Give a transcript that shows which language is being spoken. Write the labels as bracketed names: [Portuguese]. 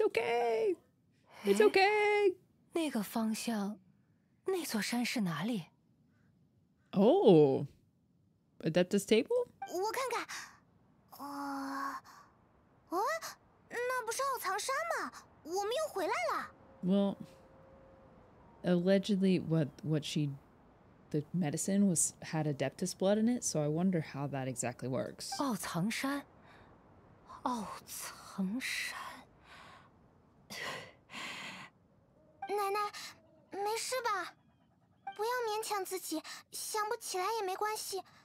[English] okay. It's okay. [Chinese] 那个方向，那座山是哪里？ [English] Oh. Adeptus Table? [Chinese] 我看看，那不是奥藏山吗？我们又回来了。Well, [English] allegedly, the medicine had Adeptus blood in it, so I wonder how that exactly works. [Chinese] 奥藏山，奥藏山。奶奶，没事吧？不要勉强自己，想不起来也没关系。